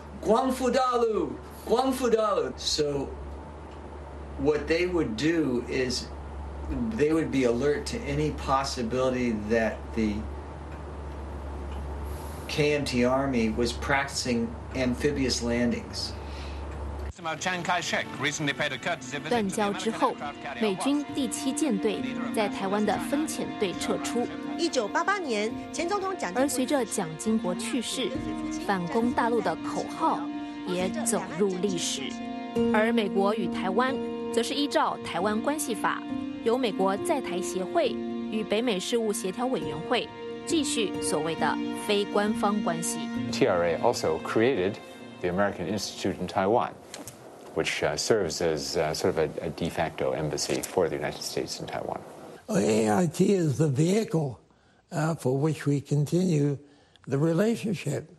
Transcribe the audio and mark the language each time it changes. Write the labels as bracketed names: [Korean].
[Chinese] Guangfudalu! Guangfudalu. [English] So what they would do is they would be alert to any possibility that the KMT army was practicing amphibious landings. [Chinese] 断交之后，美军第七舰队在台湾的分遣队撤出。 1988年，前总统蒋经国，而随着蒋经国去世，反攻大陆的口号也走入历史。而美国与台湾则是依照台湾关系法，由美国在台协会与北美事务协调委员会继续所谓的非官方关系。 [English] TRA also created the American Institute in Taiwan, which serves as sort of a de facto embassy for the United States in Taiwan. AIT is the vehicle for which we continue the relationship.